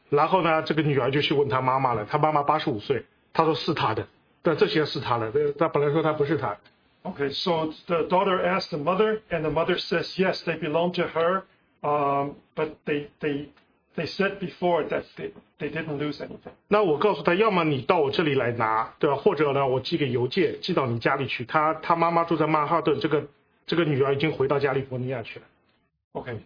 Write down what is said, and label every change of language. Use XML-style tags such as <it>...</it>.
<zh>然后呢，这个女儿就去问她妈妈了，她妈妈85岁，她说是她的，但这些是她的，她本来说她不是她的。</zh> <en>Okay, so the daughter asked the mother, and the mother says, yes, they belong to her, but they said before that they didn't lose anything.</en> <zh>那我告诉她，要么你到我这里来拿，对吧？或者呢，我寄个邮件寄到你家里去。她妈妈住在曼哈顿，这个女儿已经回到加利福尼亚去了。Okay,</zh>